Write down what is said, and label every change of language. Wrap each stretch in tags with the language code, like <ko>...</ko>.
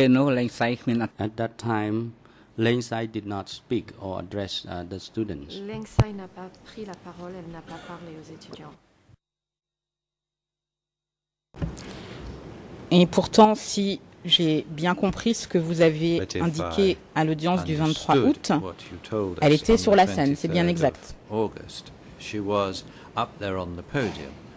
<en>At that time, Leng Sai did not speak or address the students.</en> <fr>Leng Sai n'a pas pris la parole, elle n'a pas parlé aux étudiants. Et pourtant, si j'ai bien compris ce que vous avez indiqué à l'audience du 23 août, elle était sur la scène, c'est bien exact.</fr> <en>August, she was up there on the podium.</en>